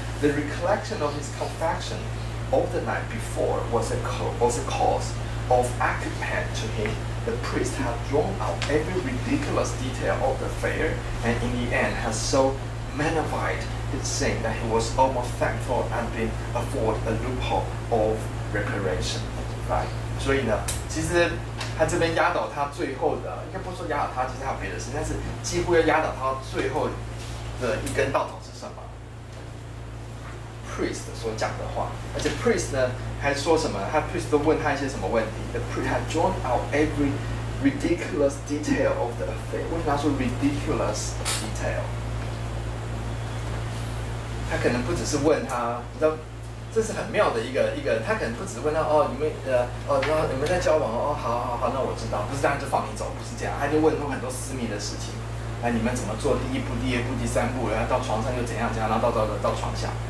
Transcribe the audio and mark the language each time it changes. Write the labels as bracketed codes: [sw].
[en] The recollection of his confession of the night before was a cause of acute pain to him. The priest had drawn out every ridiculous detail of the affair, and in the end had so magnified his sin that he was almost thankful and been afforded a loophole of reparation. Right. [zh] 所以呢，其实他这边压倒他最后的，应该不说压倒他，其实还有别的事，但是几乎要压倒他最后的一根稻草是什么？ Priest 所讲的话，而且 Priest 呢还说什么？他 Priest 都问他一些什么问题 [en] ？The priest had drawn out every ridiculous detail of the affair. [zh] 为什么他说 ridiculous detail？他可能不只是问他，你知道，这是很妙的一个，他可能不只是问他哦，你们在交往哦，好，那我知道，不是这样就放你走，不是这样，他就问出很多私密的事情，哎，你们怎么做第一步、第二步、第三步，然后到床上又怎样，然后到床下。